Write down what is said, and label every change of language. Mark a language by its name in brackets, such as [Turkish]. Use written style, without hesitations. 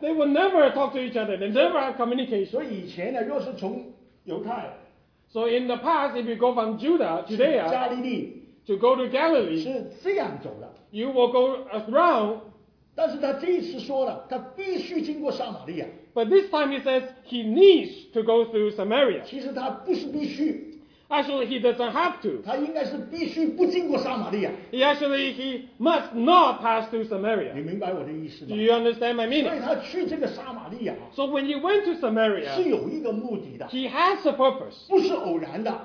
[English] They will never talk to each other. They never have communication. [Chinese] 所以以前呢，若是从犹太 [English] ，So in the past, if you go from Judah, Judea, [Chinese] 加利利 [English] ，to go to Galilee, [Chinese] 是这样走的。 [English] You will go around. [Chinese] 但是他这一次说了，他必须经过撒玛利亚。 [English] But this time he says he needs to go through Samaria. [Chinese] 其实他不是必须。 [English] Actually, he doesn't have to. [Chinese] 他应该是必须不经过撒玛利亚。 [English] Actually, he must not pass through Samaria. [Chinese] 你明白我的意思吗？ [English] Do you understand my meaning? [Chinese] 所以他去这个撒玛利亚。 [English] So when he went to Samaria, [Chinese] 是有一个目的的。 [English] He has a purpose. [Chinese] 不是偶然的。